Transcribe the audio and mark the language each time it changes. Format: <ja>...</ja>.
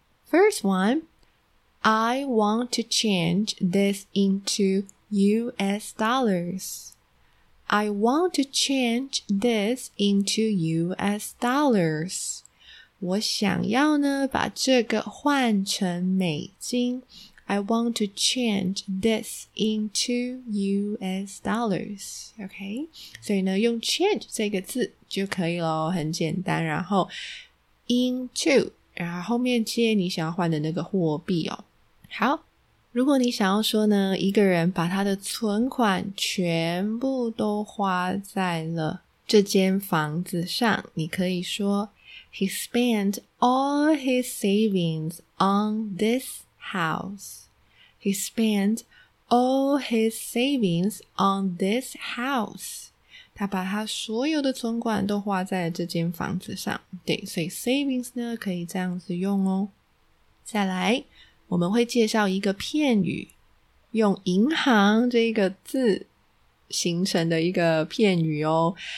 <en>First one, I want to change this into US dollars. I want to change this into US dollars.</en> <zh>我想要呢，把这个换成美金。</zh> <en>I want to change this into US dollars.</en> <zh>Okay? 所以呢用 change 这个字就可以咯，很简单。然后 into, 然后后面接你想要换的那个货币哦。好，如果你想要说呢，一个人把他的存款全部都花在了这间房子上，你可以说</zh> <en>He spent all his savings on this house. He spent all his savings on this house.</en> <zh>他把他所有的存款都花在了这间房子上。对，所以 savings 呢可以这样子用哦。再来，我们会介绍一个片语，用银行这个字形成的一个片语哦。</zh>